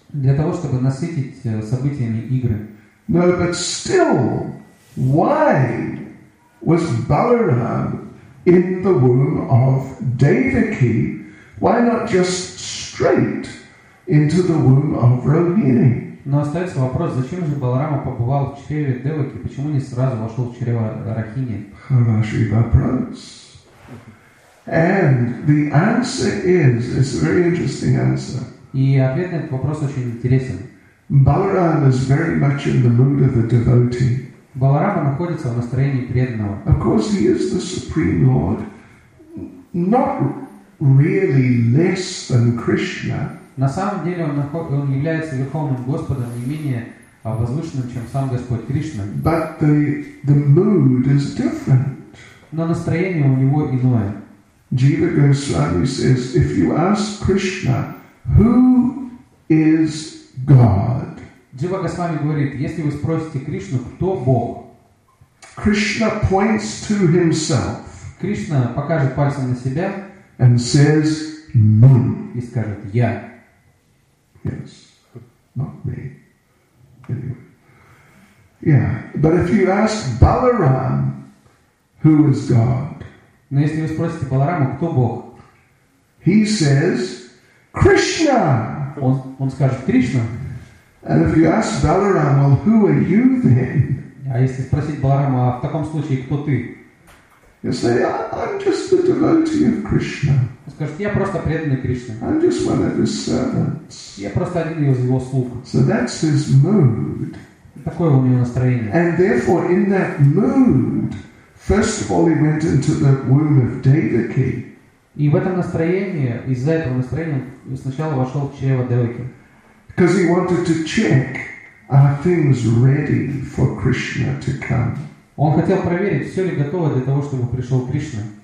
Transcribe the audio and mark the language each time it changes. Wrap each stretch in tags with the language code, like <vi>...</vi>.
<ru>Для того, чтобы насытить событиями игры.</ru> <en>No, but still, why was Balaram in the womb of Devaki? Why not just straight into the womb of Rohini?</en> <ru>Но остается вопрос, зачем же Баларама побывал в чреве Деваки, почему не сразу вошел в чрево Рохини? Хороший вопрос.</ru> <en>And the answer is a very interesting answer.</en> <ru>И ответ на этот вопрос очень интересен.</ru> <en>Balaram is very much in the mood of a devotee.</en> <ru>Баларама находится в настроении преданного.</ru> <en>Of course, he is the Supreme Lord, not really less than Krishna.</en> <ru>На самом деле он является верховным Господом не менее возвышенным, чем сам Господь Кришна.</ru> <en>But the mood is different.</en> <ru>Но настроение у него иное.</ru> <en>Jiva Goswami says, if you ask Krishna, who is God?</en> <ru>Jiva Goswami говорит, если вы спросите Кришну, кто Бог?</ru> <en>Krishna points to himself.</en> <ru>Кришна покажет пальцем на себя.</ru> <en>And says, me.</en> <ru>И скажет, я.</ru> <en>Yes, not me. Anyway. Yeah, but if you ask Balaram, who is God?</en> <ru>Но если вы спросите Баларама, кто Бог?</ru> <en>He says, Krishna.</en> <ru>Он скажет Кришна.</ru> <en>And if you ask Balaram, well, who are you then?</en> <ru>А если спросить Баларама, а в таком случае кто ты?</ru> <en>You say, I'm just the devotee of Krishna.</en> <ru>Он скажет, я просто преданный Кришне.</ru> <en>I'm just one of his servants.</en> <ru>Я просто один из его слуг.</ru> <en>So that's his mood.</en> <ru>Такое у него настроение.</ru> <en>And therefore, in that mood. First of all, he went into the womb of Devaki.</en> <ru>И в этом настроении, из-за этого настроения, сначала вошел в чрево Деваки.</ru> <en>Because he wanted to check, are things ready for Krishna to come?</en> <ru>Он хотел проверить, все ли готово для того, чтобы пришел Кришна.</ru>